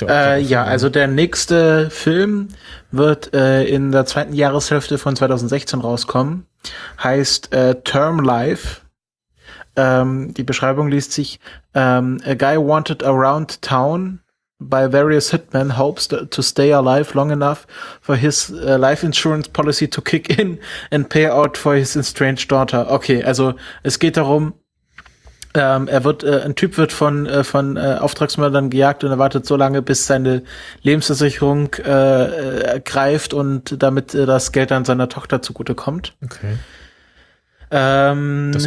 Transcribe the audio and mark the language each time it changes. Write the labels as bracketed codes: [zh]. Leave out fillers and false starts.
[de] ja auch ja, also der nächste Film wird in der zweiten Jahreshälfte von 2016 rauskommen. Heißt Term Life. Die Beschreibung liest sich [en] A guy wanted around town by various hitmen hopes to stay alive long enough for his life insurance policy to kick in and pay out for his estranged daughter. [de] Okay, also es geht darum, ein Typ wird von Auftragsmördern gejagt und er wartet so lange, bis seine Lebensversicherung greift und damit das Geld an seiner Tochter zugutekommt. Okay. Das